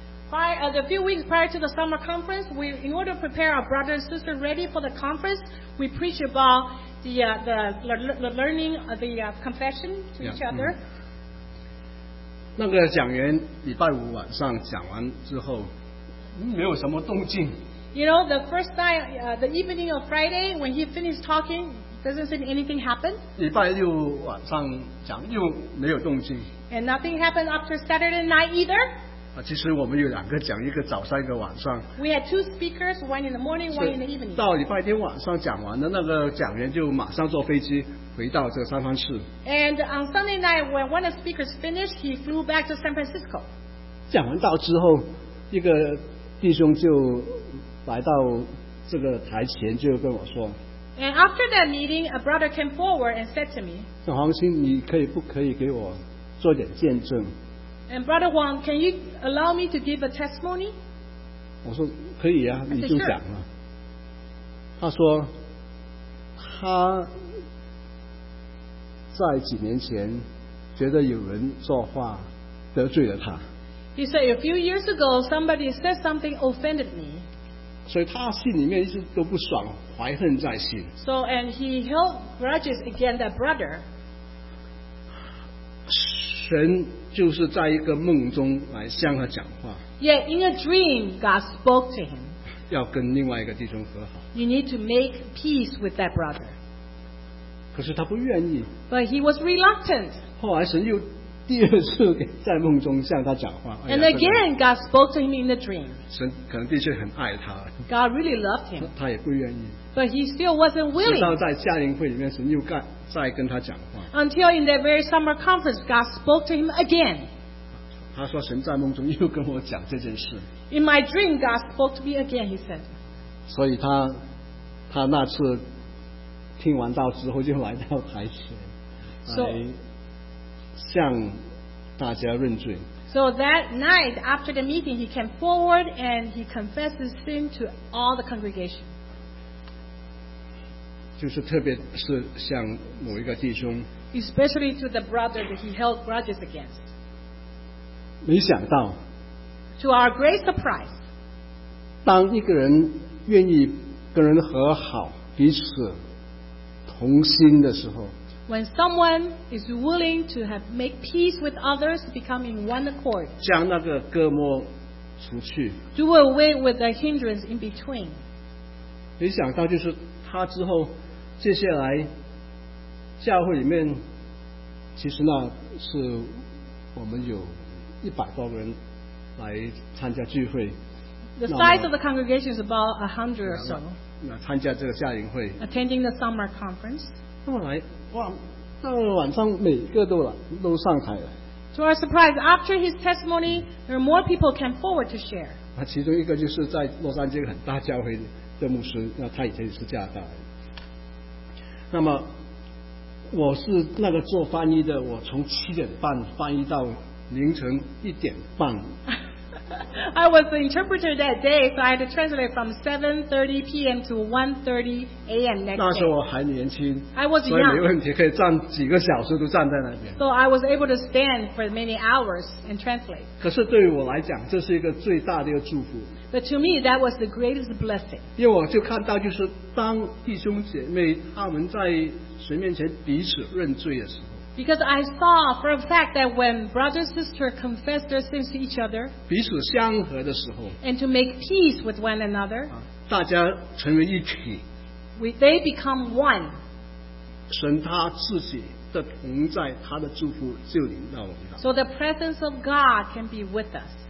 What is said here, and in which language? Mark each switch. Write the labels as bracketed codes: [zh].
[en] The few weeks prior to the summer conference, we, in order to prepare our brothers and sisters ready for the conference, we preach about the learning of the confession to each other. [zh] 那个讲员礼拜五晚上讲完之后，没有什么动静。 [en] You know, the first night, the evening of Friday, when he finished talking, doesn't seem anything happened. [zh] 礼拜六晚上讲又没有动静。 [en] And nothing happened after Saturday night either. [zh] 其实我们有两个讲，一个早上，一个晚上。 [en] We had two speakers, one in the morning, one in the evening. [zh] 到礼拜天晚上讲完了，那个讲员就马上坐飞机回到这个三藩市。 [en] And on Sunday night, when one of the speakers finished, he flew back to San Francisco. [zh] 讲完道之后，一个弟兄就来到这个台前就跟我说， [en] And after that meeting, a brother came forward and said to me, [zh] 小黄星，你可以不可以给我做点见证？ [en] And brother Wang, can you allow me to give a testimony? [zh] 我说可以啊，你就讲嘛。他说他在几年前觉得有人说话得罪了他。 [en] He said a few years ago, somebody said something offended me. [zh] 所以他心里面一直都不爽，怀恨在心。 [en] So, and he held grudges against that brother. [zh] 神就是在一个梦中来向他讲话。 [en] Yet, in a dream, God spoke to him. [zh] 要跟另外一个弟兄和好。 [en] You need to make peace with that brother. [zh] 可是他不愿意。 [en] But he was reluctant. [zh] 后来神又第二次在梦中向他讲话。 [en] And again, God spoke to him in the dream. [zh] 神可能的确很爱他。 [en] God really loved him. [zh] 他也不愿意。 [en] But he still wasn't willing. [zh] 直到在夏令会里面，神又再跟他讲话。 [en] Until in that very summer conference, God spoke to him again. [zh] 他说神在梦中又跟我讲这件事。 [en] In my dream, God spoke to me again, he said. [zh] 所以他那次听完道之后，就来到台前向大家认罪。 [en] So that night after the meeting, he came forward and he confessed his sin to all the congregation. [zh] 就是特别是向某一个弟兄。 [en] Especially to the brother that he held grudges against. [zh] 没想到。 [en] To our great surprise. [zh] 当一个人愿意跟人和好，彼此同心的时候。 [en] When someone is willing to have make peace with others, become in one accord, [zh] 将那个隔膜除去， [en] do away with the hindrance in between. [zh] 没想到就是他之后，接下来教会里面，其实那是我们有100多个人来参加聚会。 [en] The size of the congregation is about 100 or so. [zh] 那参加这个夏令会， [en] attending the summer conference. [zh] 后来。哇，到了晚上每个都上台了。 [en] To our surprise, after his testimony, there are more people came forward to share. [zh] 其中一个就是在洛杉矶很大教会的牧师，那他以前是加拿大人。那么我是那个做翻译的，我从7:30翻译到凌晨1:30。 [en] I was the interpreter that day, so I had to translate from 7:30 p.m. to 1:30 a.m. next day. [zh] 那时候我还年轻， [en] I was young. [zh] 所以没问题，可以站几个小时都站在那边。 [en] So I was able to stand for many hours and translate. [zh] 可是对于我来讲，这是一个最大的一个祝福。 [en] But to me, that was the greatest blessing. [zh] 因为我就看到，就是当弟兄姐妹他们在神面前彼此认罪的时候。 [en] Because I saw for a fact that when brother and sister confess their sins to each other, [zh] 彼此相合的时候, [en] and to make peace with one another, [zh] 大家成为一体, [en] they become one. [zh] 神他自己的同在, 他的祝福就临到我们。 [en] So the presence of God can be with us.